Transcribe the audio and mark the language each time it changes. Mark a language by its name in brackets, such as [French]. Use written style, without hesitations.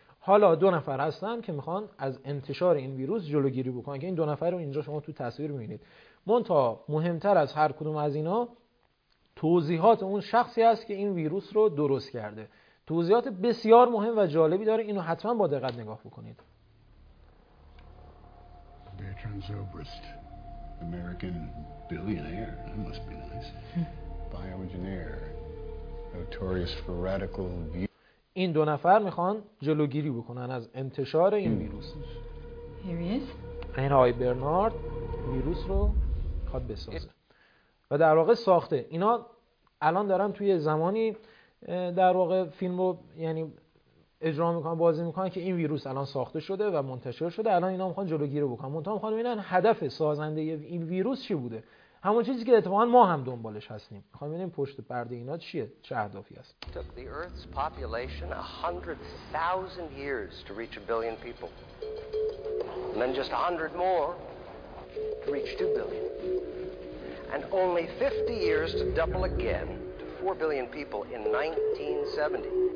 [Persian] حالا دو نفر هستن که میخوان از انتشار این ویروس جلوگیری بکنن، که این دو نفر رو اینجا شما تو تصویر میبینید. منتها مهمتر از هر کدوم از اینا توضیحات اون شخصی هست که این ویروس رو درست کرده. توضیحات بسیار مهم و جالبی داره، اینو حتما با دقت نگاه بکنید. [English] Bertrand Zobrist, American billionaire, that must be nice. Bioengineer, notorious for radical view. [Persian] این دو نفر میخوان جلوگیری بکنن از انتشار این ویروس. [English] Here he is. [Persian] این آقای برنارد ویروس رو خواهد بسازه و در واقع ساخته. اینا الان دارن توی زمانی در واقع فیلم رو یعنی اجرا میکنن، بازی میکنن که این ویروس الان ساخته شده و منتشر شده، الان اینا میخوان جلوگیری بکنن. منتها میخوان ببینن هدف سازنده این ویروس چی بوده، همون چیزی که اتفاقا ما هم دنبالش هستیم، میخوان ببینیم پشت پرده اینا چیه، چه هدفی هست. [English] Took the earth's population 100,000 years to reach a billion people and then just 100 more to reach 2 billion and only 50 years to double again to 4 billion people in 1970.